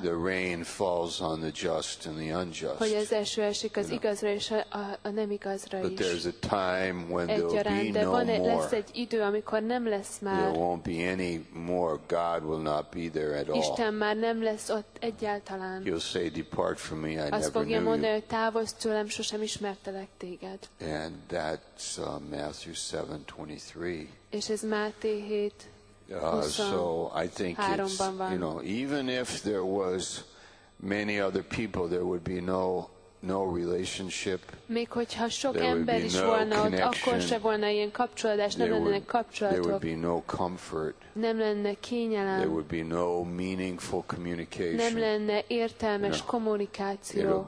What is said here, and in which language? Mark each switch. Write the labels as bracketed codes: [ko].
[en] The rain falls on the just and the unjust. [hu] Hogy az eső esik az igazra és a nem igazra is. [en] But there's a time when [hu] egyaránt, [en] there will be no more. [hu] Lesz egy idő, amikor nem lesz már. [en] There won't be any more. God will not be there at all. [hu] Isten már nem lesz ott egyáltalán. [en] He'll say, depart from me, I never knew you. [hu] Azt fogja mondani, hogy távozz tőlem, sosem ismertelek téged. [en] And that's Matthew 7:23. [hu] És ez Máté 7. [en] So I think it's, you know, even if there was many other people, there would be no relationship. [hu] Még hogyha sok ember is volna ott, akkor se volna ilyen kapcsolódás, nem lenne kapcsolatok. [en] There would be no comfort. [hu] Nem lenne kényelem. [en] There would be no meaningful communication. [hu] Nem lenne értelmes kommunikáció.